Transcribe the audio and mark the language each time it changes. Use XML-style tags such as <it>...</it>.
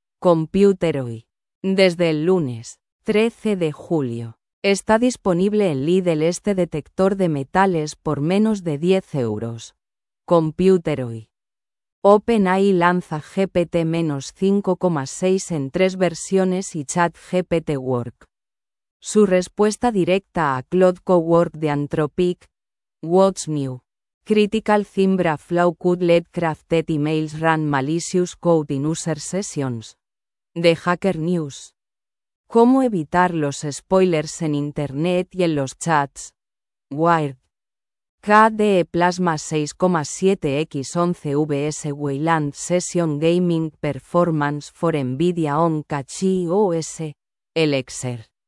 <es>Computer Hoy. Desde el lunes, 13 de julio, está disponible en Lidl este detector de metales por menos de 10 euros. Computer Hoy. OpenAI lanza GPT-5,6 en 3 versiones y ChatGPT Work. Su respuesta directa a Claude Cowork de Anthropic.</es> <en>What's new? Critical Zimbra flaw could let crafted emails run malicious code in user sessions. The Hacker News.</en> <es>¿Cómo evitar los spoilers en Internet y en los chats?</es> <en>Wired. KDE Plasma 6,7x11vs Wayland Session Gaming Performance for NVIDIA on Cache OS. Elixir.</en>